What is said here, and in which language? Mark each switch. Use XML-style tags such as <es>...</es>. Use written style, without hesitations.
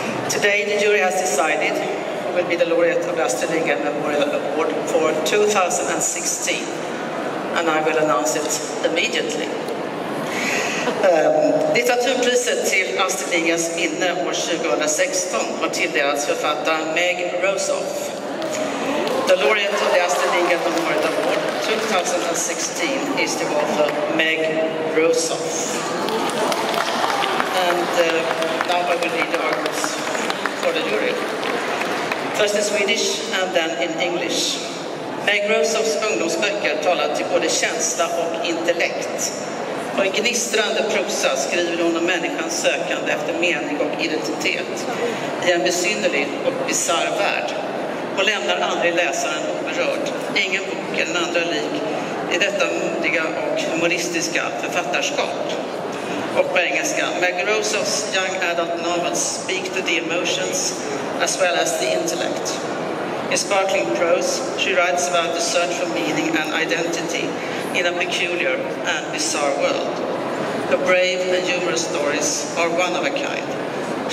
<en>Today the jury has decided who will be the laureate of the Astrid Lindgren Memorial Award for 2016, and I will announce it immediately.</en> <sv>Litteraturpriset till Astrid Lindgrens minne år 2016 har tilldelats författaren Meg Rosoff.</sv> <en>The laureate of the Astrid Lindgren Memorial Award 2016 is the author Meg Rosoff. And now I will read the articles for the jury. First in Swedish and then in English.</en> <sv>Meg Rosoffs ungdomsböcker talar till både känsla och intellekt. Och en gnistrande prosa skriver hon om människans sökande efter mening och identitet i en besynnerlig och bizarr värld. Hon lämnar aldrig läsaren oberörd. Ingen bok eller andra lik i detta modiga och humoristiska författarskap. Och på engelska,</sv> <en>Meg Rosoffs young adult novels speak to the emotions as well as the intellect. In sparkling prose, she writes about the search for meaning and identity in a peculiar and bizarre world. Her brave and humorous stories are one of a kind.</en>